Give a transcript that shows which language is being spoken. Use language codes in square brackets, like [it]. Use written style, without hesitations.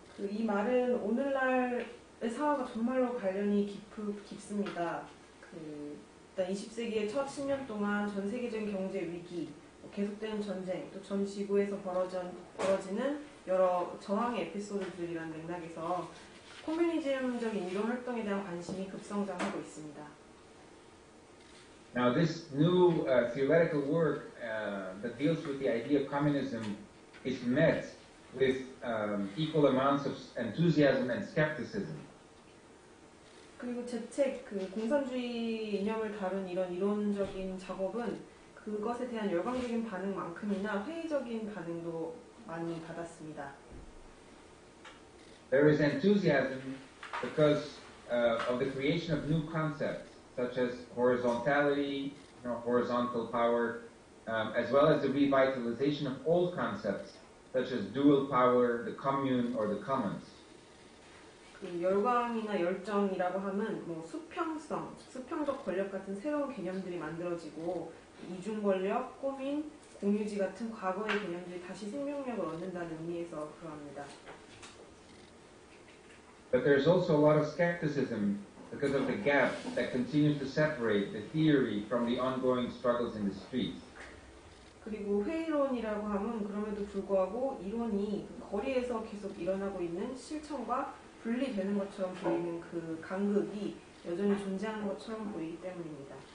[ko] 이 말은 오늘날의 상황과 정말로 관련이 깊습니다. 일단 20세기의 첫 10년 동안 전 세계적인 경제 위기, 계속되는 전쟁, 또 전 지구에서 벌어지는 여러 저항의 에피소드들이라는 맥락에서 코뮤니즘적인 이런 활동에 대한 관심이 급성장하고 있습니다. [en] Now this new theoretical work that deals with the idea of communism is met with equal amounts of enthusiasm and skepticism. [ko] 그리고 제 책, 그 공산주의 이념을 다룬 이런 이론적인 작업은 그것에 대한 열광적인 반응만큼이나 회의적인 반응도 많이 받았습니다. [en] There is enthusiasm because of the creation of new concepts such as horizontality, you know, horizontal power, as well as the revitalization of old concepts such as dual power, the commune, or the commons. [ko] 그 열광이나 열정이라고 하면 뭐 수평성, 수평적 권력 같은 새로운 개념들이 만들어지고 이중 권력, 꼬민, 공유지 같은 과거의 개념들이 다시 생명력을 얻는다는 의미에서 그러합니다. [en] But there's also a lot of skepticism because of the gap that continues to separate the theory from the ongoing struggles in the streets. [ko] 그리고 회의론이라고 하면 그럼에도 불구하고 이론이 거리에서 계속 일어나고 있는 실천과 분리되는 것처럼 보이는 그 간극이 여전히 존재하는 것처럼 보이기 때문입니다.